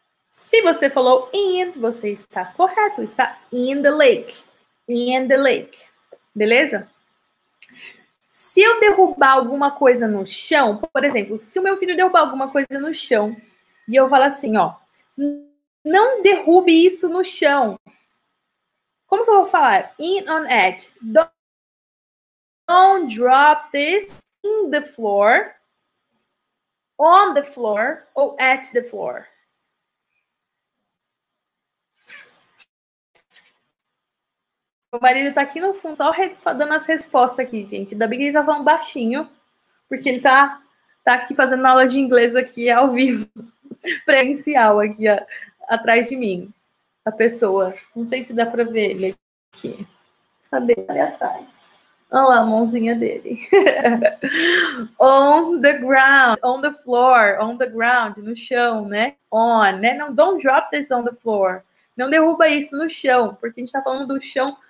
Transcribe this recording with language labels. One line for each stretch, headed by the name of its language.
Portuguese: Se você falou in, você está correto. Está in the lake. In the lake. Beleza? Se eu derrubar alguma coisa no chão, por exemplo, se o meu filho derrubar alguma coisa no chão e eu falar assim, ó, não derrube isso no chão. Como que eu vou falar? In on it.
English: Don't drop this in the floor. On the floor or at the floor.
Portuguese: O marido tá aqui no fundo, só dando as respostas aqui, gente. Ainda bem que ele tá falando baixinho, porque ele tá aqui fazendo aula de inglês aqui ao vivo, presencial aqui atrás de mim, a pessoa. Não sei se dá pra ver ele aqui. Cadê ele atrás? Olha lá a mãozinha dele.
English: On the ground, on the floor, on the ground, no chão, né? On, né? Não, don't drop this on the floor.
Portuguese: Não derruba isso no chão, porque a gente tá falando do chão.